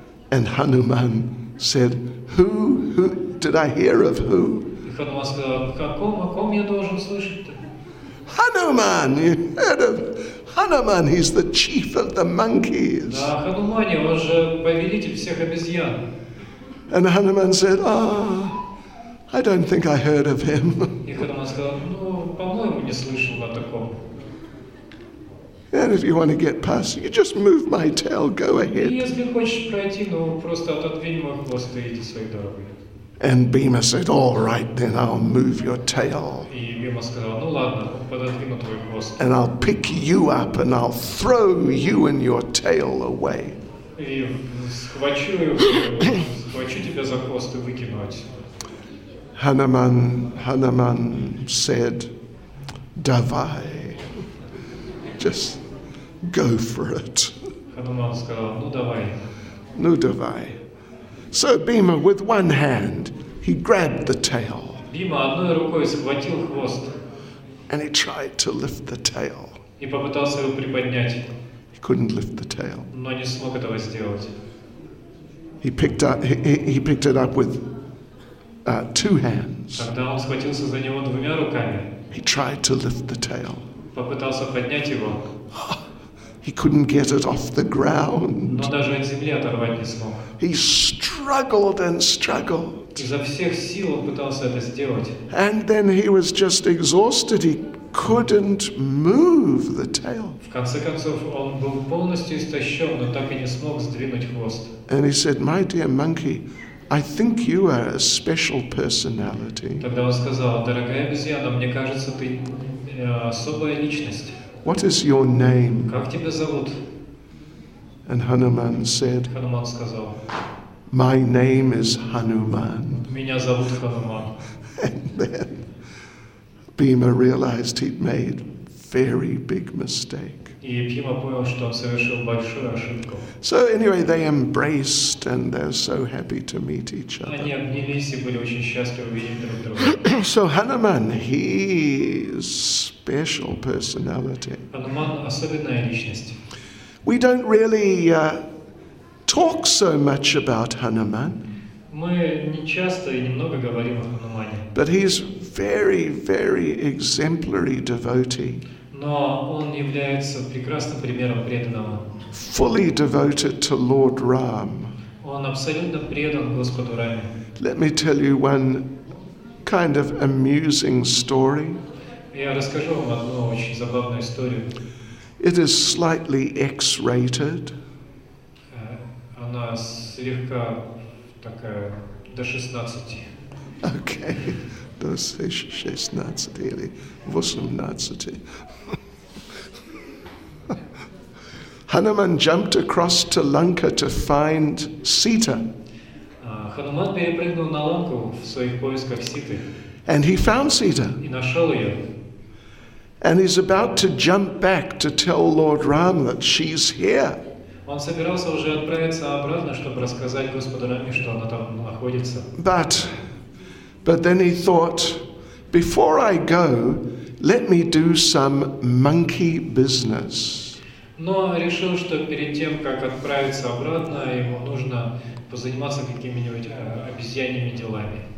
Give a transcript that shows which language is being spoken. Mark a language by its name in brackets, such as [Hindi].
[English] And Hanuman said, "Who? Who did I hear of? Who?" [Russian] Хануман сказал, о ком я должен слышать? [English] Hanuman, you heard of Hanuman? He's the chief of the monkeys. [Russian] Да, Хануман, он же повелитель всех обезьян. [English] And Hanuman said, "Ah, I don't think I heard of him." [Russian] И Хануман сказал, по-моему, не слышал о таком. [English] And if you want to get past, you just move my tail, go ahead. [Russian] Если хочешь пройти, ну просто отодвинь мой хвост и иди своей дорогой. [English] And Bhima said, "All right, then I'll move your tail." [Russian] И Бхима сказал, ну ладно, пододвину твой хвост. [English] And I'll pick you up and I'll throw you and your tail away. [Russian] И схвачу тебя за хвост и выкину отсюда. [English] Hanuman said, [Russian] "Давай." [English] Just go for it. [Russian] Hanuman сказал, ну давай. Ну давай. [English] So Bhima, with one hand, he grabbed the tail. [Russian] Бхима одной рукой схватил хвост. [English] And he tried to lift the tail. [Russian] И попытался его приподнять. [English] He couldn't lift the tail. [Russian] Но не смог этого сделать. [English] He picked it up with two hands. [Russian] Тогда он схватился за него двумя руками. [English] He tried to lift the tail. [Russian] Попытался поднять его. [English] He couldn't get it off the ground. [Russian] Но даже от земли оторвать не смог. [English] He struggled and struggled. [Russian] Изо всех сил пытался это сделать. [English] And then he was just exhausted. He couldn't move the tail. [Russian] В конце концов он был полностью истощен, но так и не смог сдвинуть хвост. [English] And he said, "My dear monkey, I think you are a special personality." [Russian] Тогда он сказал, дорогая обезьяна, мне кажется, ты особая личность. [English] What is your name? [Russian] Как тебя зовут? [English] And Hanuman said, [Russian] Hanuman сказал, [English] "My name is Hanuman." [Russian] Меня зовут Хануман. [English] And then Bhima realized he'd made very big mistake. [Russian] И Бхима понял, что он совершил большую ошибку. [English] So anyway, they embraced and they're so happy to meet each other. [Russian] Они обнялись и были очень счастливы видеть друг друга. [English] So Hanuman, he's special personality. [Russian] Hanuman – особенная личность. [English] We don't really talk so much about Hanuman. [Russian] Мы не часто и немного говорим о Хануман. [English] But he's very, very exemplary devotee. [Russian] Но он является прекрасным примером преданного. [English] Fully devoted to Lord Ram. [Russian] Он абсолютно предан Господу Раме. [English] Let me tell you one kind of amusing story. [Russian] Я расскажу вам одну очень забавную историю. [English] It is slightly X-rated. [Russian] Она слегка такая до 16. Okay. До 16 или 18. [English] Hanuman jumped across to Lanka to find Sita. [Russian] Хануман перепрыгнул на Ланку в своих поисках Ситы. [English] And he found Sita. [Russian] И нашел ее. [English] And he's about to jump back to tell Lord Ram that she's here. [Russian] Он собирался уже отправиться обратно, чтобы рассказать Господу Раме, что она там находится. [English] But then he thought, "Before I go, let me do some monkey business." [Russian] Но решил, что перед тем, как отправиться обратно, ему нужно позаниматься какими-нибудь обезьяньими делами.